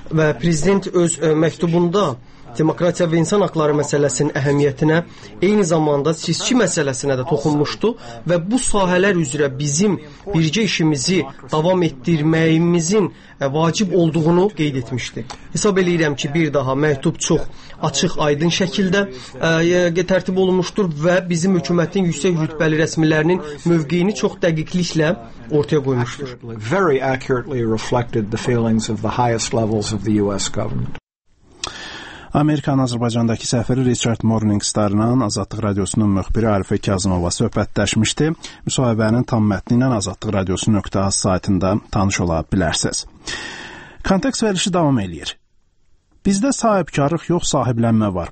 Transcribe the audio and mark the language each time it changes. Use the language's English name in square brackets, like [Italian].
[Azerbaijani] Və prezident öz məktubunda demokratiya və insan haqları məsələsinin əhəmiyyətinə, eyni zamanda seçki məsələsinə də toxunmuşdu və bu sahələr üzrə bizim birgə işimizi davam etdirməyimizin vacib olduğunu qeyd etmişdi. Hesab eləyirəm ki, bir daha məktub çox açıq, aydın şəkildə tərtib olunmuşdur və bizim hökumətin yüksək rütbəli rəsmilərinin mövqeyini çox dəqiqliklə ortaya qoymuşdur. [English] Very accurately reflected the feelings of the highest levels of the US government. [Azerbaijani] Amerikanın Azərbaycandakı səfiri Richard Morningstar-dan Azadlıq Radiosunun müxbiri Arifə Kazımova söhbətləşmişdi. Müsahibənin tam mətni ilə azadlıqradiosu.az saytında tanış ola bilərsiniz. Kontekst verilişi davam eləyir. Bizdə sahibkarlıq yox, sahiblənmə var.